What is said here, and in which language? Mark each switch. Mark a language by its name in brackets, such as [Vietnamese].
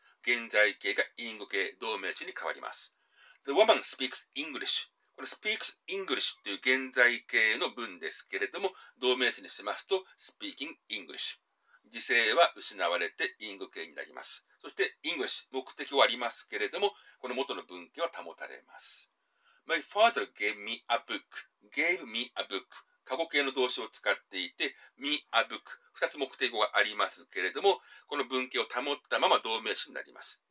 [Japanese] 現在形が因語形、動名詞に変わります。 [English] the woman speaks English。 [Japanese] この speaks English という現在形の文ですけれども、動名詞にしますと speaking English。時制は失われて因語形になります。そして English、目的はありますけれども、この元の文型は保たれます。 [English] My father gave me a book, gave me a book。 [Japanese] 過去形の動詞を使っていて、me a book。二つ目的語がありますけれども、この文型を保ったまま動名詞になります。